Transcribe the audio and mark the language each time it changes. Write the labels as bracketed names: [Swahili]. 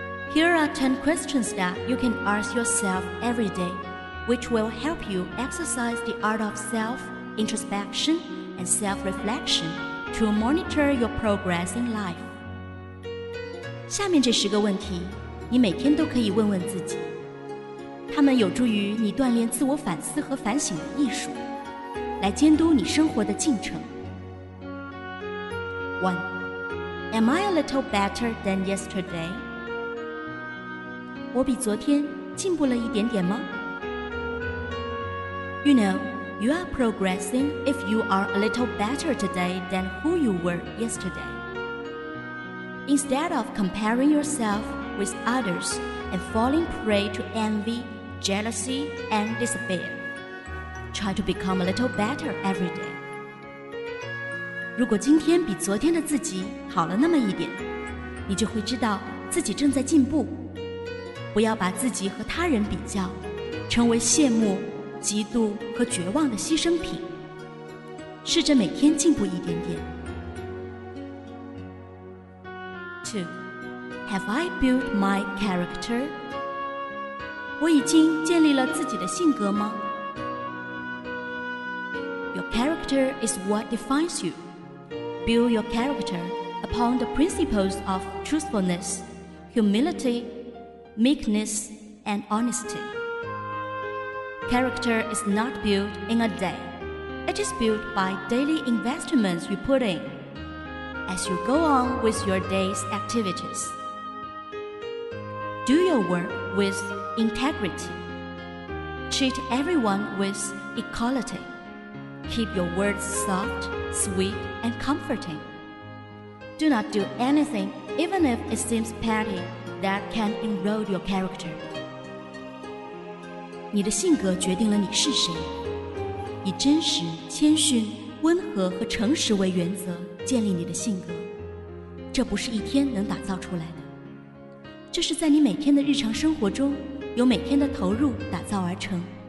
[English] Here are 10 questions that you can ask yourself every day, which will help you exercise the art of self-introspection and self-reflection to monitor your progress in life. [Chinese] 下面这十个问题，你每天都可以问问自己，它们有助于你锻炼自我反思和反省的艺术，来监督你生活的进程。 [English] 1. Am I a little better than yesterday? [Chinese] 我比昨天进步了一点点吗？ [English] You know, you are progressing if you are a little better today than who you were yesterday. Instead of comparing yourself with others and falling prey to envy, jealousy, and despair, try to become a little better every day. [Chinese] 如果今天比昨天的自己好了那么一点，你就会知道自己正在进步。不要把自己和他人比较，成为羡慕、嫉妒和绝望的牺牲品。试着每天进步一点点。 [English] 2. Have I built my character? [Chinese] 我已经建立了自己的性格吗？ [English] Your character is what defines you. Build your character upon the principles of truthfulness, humility, meekness, and honesty. Character is not built in a day. It is built by daily investments you put in. As you go on with your day's activities, do your work with integrity. Treat everyone with equality. Keep your words soft, sweet, and comforting. Do not do anything, even if it seems petty, that can erode your character. [Chinese] 你的性格决定了你是谁。以真实、谦逊、温和和诚实为原则。建立你的性格，这不是一天能打造出来的，这是在你每天的日常生活中由每天的投入打造而成。